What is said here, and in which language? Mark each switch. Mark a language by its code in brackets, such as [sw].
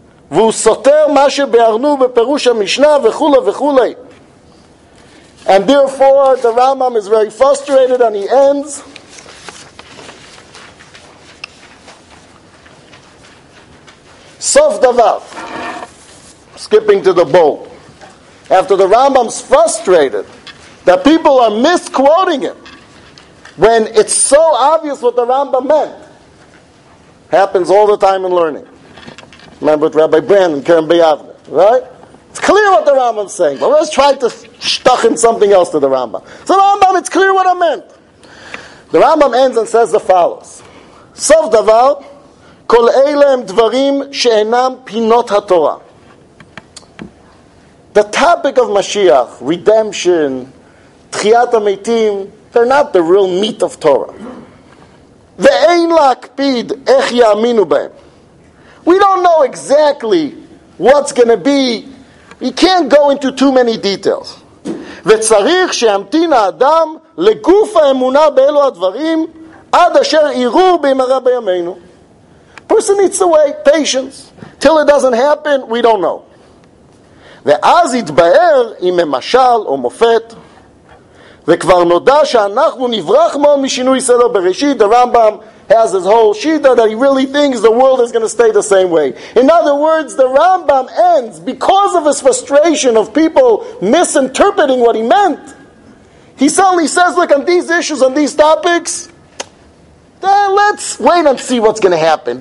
[he] והוא סותר מה שבארנו בפירוש המשנה וכולי וכולי. [en] And therefore the Rambam is very frustrated and he ends. Sof davar, skipping to the bowl. After the Rambam's frustrated that people are misquoting him when it's so obvious what the Rambam meant. Happens all the time in learning. Remember with Rabbi Brandon, Karen Bayavne, right? It's clear what the Rambam's saying, but let's try to stuck in something else to the Rambam. So Rambam, it's clear what I meant. The Rambam ends and says the follows. [he] Sof davar, כל אלה הם דברים שאינם פינות התורה. [en] The topic of Mashiach, redemption, תחיית המתים, they're not the real meat of Torah. [he] ואין להקפיד איך יאמינו בהם. [en] We don't know exactly what's going to be. We can't go into too many details. [he] וצריך שימתין האדם לגוף האמונה באלו הדברים עד אשר יראו במהרה בימינו. [en] Person needs to wait, patience. Till it doesn't happen, we don't know. [he] ואז יתבאר אם ממשל או מופת, וכבר נודע שאנחנו נברח מאוד משינוי סדר בראשית. [en] The Rambam has his whole shita that he really thinks the world is going to stay the same way. In other words, the Rambam ends, because of his frustration of people misinterpreting what he meant, he suddenly says, look, on these issues, on these topics, let's wait and see what's going to happen.